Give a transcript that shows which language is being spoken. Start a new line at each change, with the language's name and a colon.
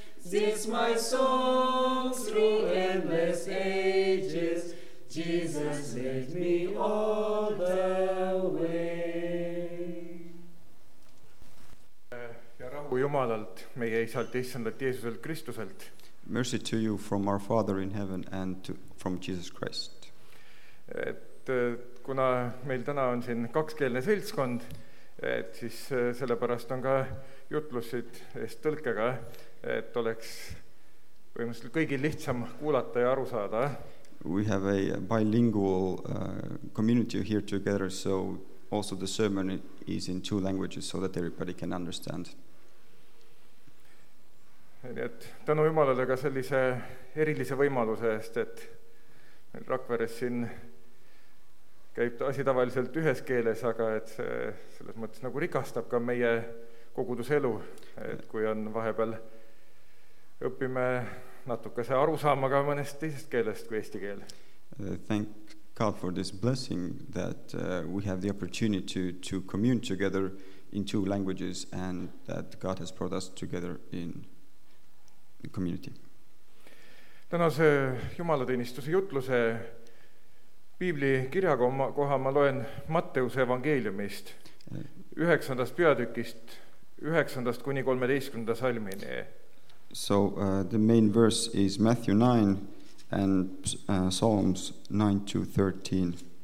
English: This my song through endless ages, Jesus led me all the way.
Estonian: Ja rahu Jumalalt, meie isalt, issandalt, Jeesuselt, Kristuselt.
English: Mercy to you from our Father in heaven and from Jesus Christ.
Estonian: Et kuna meil täna on siin kakskeelne seltskond, et siis sellepärast on ka jutlusid eest tõlkega, et oleks võimalikult kõigil lihtsam kuulata ja aru saada.
English: We have a bilingual community here together, so also the sermon is in two languages so that everybody can understand.
Estonian: Et tänu Jumalale ka sellise erilise võimaluse eest, et Rakveres siin käib asi tavaliselt ühes keeles, aga et see selles mõttes nagu rikastab ka meie koguduselu, et kui on vahepeal õppime natukese aru saama ka mõnest teisest keelest kui eesti keel.
English: Thank God for this blessing that we have the opportunity to commune together in two languages and that God has brought us together in the community.
Estonian: Tänase jumalateenistuse jutluse piibli kirjakoha ma loen Matteuse evangeeliumist 9. peatükist 9. kuni 13. salmini.
English: So the main verse is Matthew 9 and Psalms 9-13.